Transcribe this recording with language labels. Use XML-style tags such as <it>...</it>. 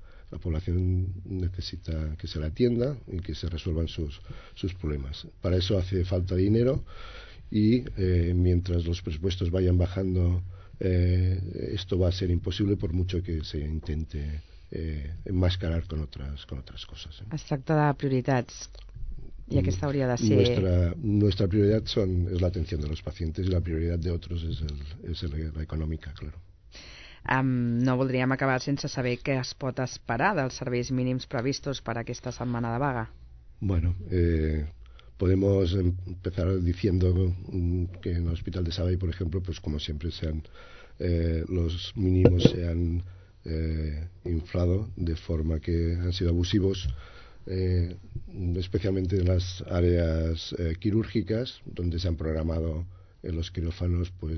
<es>La población necesita que se la atienda y que se resuelvan sus problemas. Para eso hace falta dinero y mientras los presupuestos vayan bajando, esto va a ser imposible por mucho que se intente enmascarar con otras cosas.</es> <ca>Es tracta de prioritats. I aquesta hauria de ser... Nuestra prioritat és l'atenció de</ca> <es>los pacientes</es> <ca>i la prioritat d'altres és la econòmica, claro. No voldríem acabar sense saber què es pot esperar dels serveis mínims previstos per aquesta setmana de vaga.</ca> <es>Bueno, podemos empezar diciendo que en el Hospital de Sabadell, por ejemplo, pues como siempre los mínimos se han inflado de forma que han sido abusivos, especialmente en las áreas quirúrgicas, donde se han programado en los quirófanos</es>